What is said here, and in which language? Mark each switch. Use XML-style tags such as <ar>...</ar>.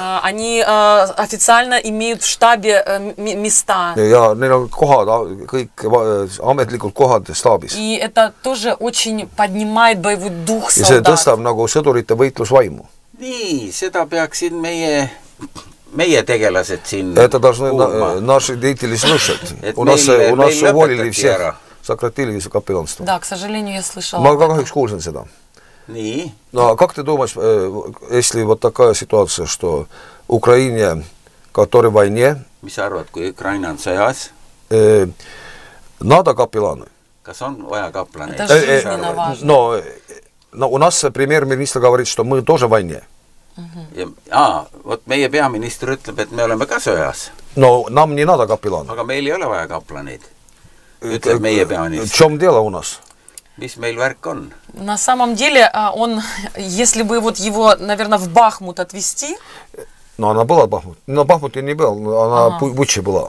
<ru>Они официально имеют в штабе места.</ru> <et>Ja neil on kohad kõik ametlikult kohad staabis.</et> <ru>И это тоже очень поднимает боевой дух солдат.</ru> <et>Ja see tõstab nagu sõdurite võitlusvaimu. Nii, seda peaksid meie tegelased siin kuulma.</et> <ru>Это должны наши деятели слушать. У нас уволили всех. Сократились капелланство. Да, к сожалению, я слышал.</ru> <et>Ma kahjuks kuulsin seda. Nii.</et> <ru>No, как ты думаешь, если вот такая ситуация, что Украине, которой в войне...</ru> <et>Mis sa arvad, kui Ukraina on sõjas?</et> <ru>Надо капелланы.</ru> <et>Kas on vaja kaplani?</et> <ru>Это жизненно важно. No, у нас премьер-министр говорит, что мы тоже в войне.</ru> <et>Вот meie peaminister ütleb, et me oleme ka sõjas.</et> <ru>No, nam не надо капеллана.</ru> <et>Aga meil ei ole vaja kaplaneid. Ütleb meie peaminister.</et> <ru>В чем дело у нас?</ru> <et>Mis meil värk on?</et> <ru>На самом деле, он, если бы вот его, наверное, в Бахмут отвезти... Но она была в Бахмуте. Но в Бахмуте не был, но она Буча была.</ru>